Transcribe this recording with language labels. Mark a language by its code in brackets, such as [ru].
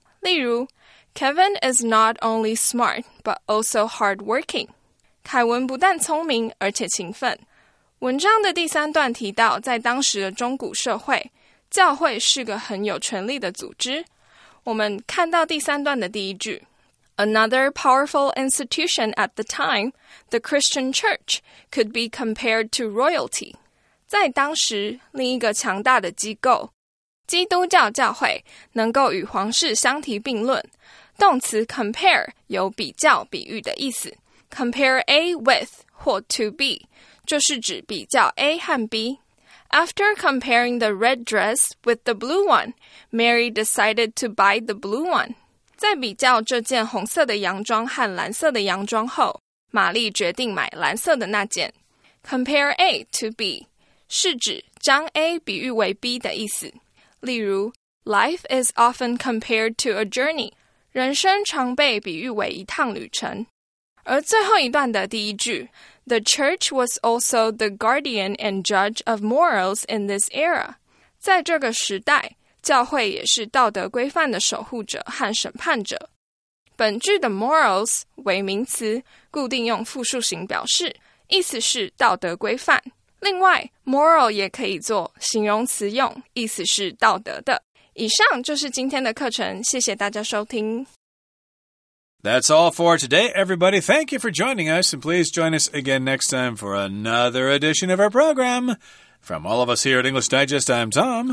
[zh] 例如 [en] Kevin is not only smart, but also hardworking. [zh] 凯文不但聪明，而且勤奋。文章的第三段提到，在当时的中古社会，教会是个很有权力的组织。我们看到第三段的第一句 [en] Another powerful institution at the time, the Christian church, could be compared to royalty. [zh] 在当时，另一个强大的机构，基督教教会，能够与皇室相提并论。动词 compare 有比较、比喻的意思。 [en] Compare A with [zh] 或 to B 就是指比较 A 和 B。 [en] After comparing the red dress with the blue one, Mary decided to buy the blue one. [zh] 在比较这件红色的洋装和蓝色的洋装后，玛丽决定买蓝色的那件。 [en] Compare A to B [zh] 是指将 A 比喻为 B 的意思。例如 [en] ，Life is often compared to a journey. [zh] 人生常被比喻为一趟旅程。而最后一段的第一句。 [en] The church was also the guardian and judge of morals in this era. [zh] 在这个时代，教会也是道德规范的守护者和审判者。本句的 morals 为名词，固定用复数形表示，意思是道德规范。另外 ，moral 也可以做形容词用，意思是道德的。以上就是今天的课程，谢谢大家收听。 [en] That's all for today, everybody. Thank you for joining us, and please join us again next time for another edition of our program. From all of us here at English Digest, I'm Tom.